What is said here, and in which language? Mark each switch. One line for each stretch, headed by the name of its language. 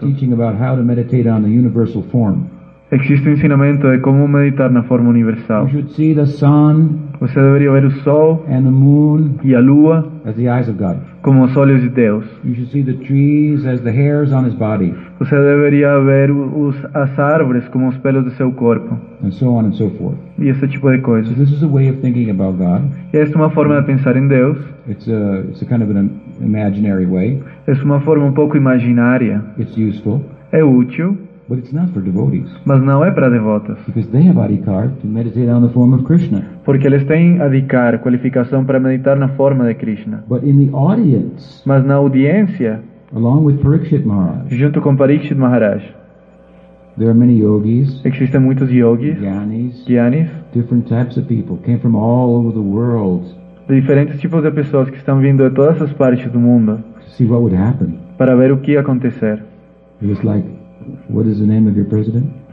English: There's a teaching about how to meditate on the universal form.
Portuguese: Existe um ensinamento de como meditar na forma universal.
English: You should see the sun.
Portuguese: Você deveria ver o sol
English: and the moon
Portuguese: e a lua
English: as the eyes of God.
Portuguese: Como os olhos de Deus.
English: You should see the trees as the hairs on his body.
Portuguese: Você deveria ver as árvores como os pelos do seu corpo.
English: And so on and so forth.
Portuguese: E esse tipo de coisas.
English: So this is a way of thinking about God.
Portuguese: E essa é uma forma de pensar em Deus.
English: It's a kind of an imaginary way.
Portuguese: É uma forma um pouco imaginária.
English: It's useful.
Portuguese: É útil.
English: But it's not for devotees.
Portuguese: Mas não é para devotos.
English: Because they have adhikar to meditate on the form of Krishna.
Portuguese: Porque eles têm adhikar, qualificação para meditar na forma de Krishna.
English: But in the audience.
Portuguese: Mas na audiência.
English: Along with Parikshit Maharaj.
Portuguese: Junto com Parikshit Maharaj.
English: There are many yogis.
Portuguese: Existem muitos yogis.
English: Gyanis. Different types of people came from all over the world.
Portuguese: De diferentes tipos de pessoas que estão vindo de todas as partes do mundo.
English: To see what would happen.
Portuguese: Para ver o que acontecer.
English: It was like, what is the name of your president?